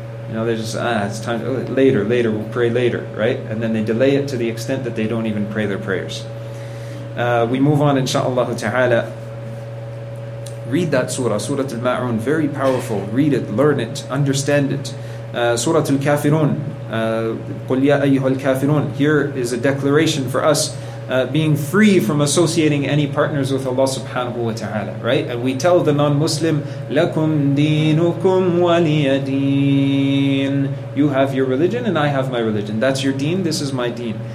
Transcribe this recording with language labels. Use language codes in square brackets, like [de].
[en] You know, they're just, it's time, later, we'll pray later, right? And then they delay it to the extent that they don't even pray their prayers. We move on, inshaAllah ta'ala. Read that surah, Surah Al-Ma'un, very powerful. Read it, learn it, understand it. [ar] Surah Al-Kafirun, قُلْ يَا أَيُّهَا الْكَافِرُونَ. [en] Here is a declaration for us being free from associating any partners with Allah subhanahu wa ta'ala, right? And we tell the non-Muslim, [ar] لَكُمْ دِينُكُمْ وَلِيَ دِينَ. [en] You have your religion and I have my religion. That's your deen, this is my deen.